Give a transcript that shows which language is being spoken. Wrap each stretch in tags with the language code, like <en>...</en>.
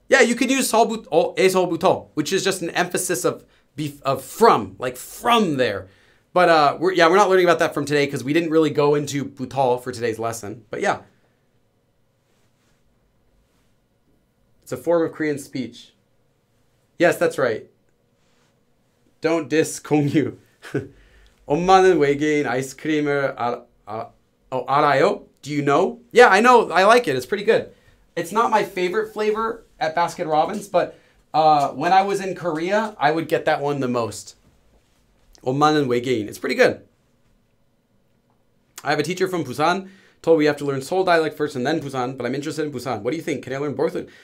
<en>Yeah, you could use 에서부터, which is just an emphasis of from, like from there. But we're not learning about that from today because we didn't really go into 부터 for today's lesson. But yeah, it's a form of Korean speech. Yes, that's right. Don't diss Kongyu.</en> <ko>엄마는 외계인 아이스크림을 알아요?</ko> <en>Do you know? Yeah, I know. I like it. It's pretty good. It's not my favorite flavor at Baskin Robbins, but when I was in Korea, I would get that one the most. 엄마는 외계인. It's pretty good. I have a teacher from Busan. Told we have to learn Seoul dialect first and then Busan, but I'm interested in Busan. What do you think? Can I learn both?</en>